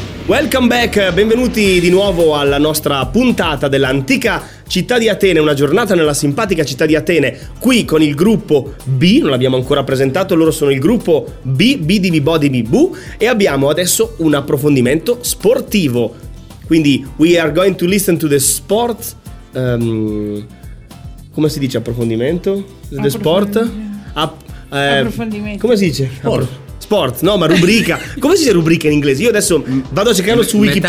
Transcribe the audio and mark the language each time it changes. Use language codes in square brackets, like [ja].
[en] Welcome back, [it] benvenuti di nuovo alla nostra puntata dell'antica città di Atene, una giornata nella simpatica città di Atene, qui con il gruppo B, non l'abbiamo ancora presentato, loro sono il gruppo B, B di Bibo di Bibu, e abbiamo adesso un approfondimento sportivo. [en] Quindi, we are going to listen to the sport... [it] come si dice approfondimento? [en] The sport? [it] Approfondimento. Come si dice? Sport. No, ma rubrica. Come si dice rubrica in inglese? Io adesso vado a cercarlo su Wikipedia.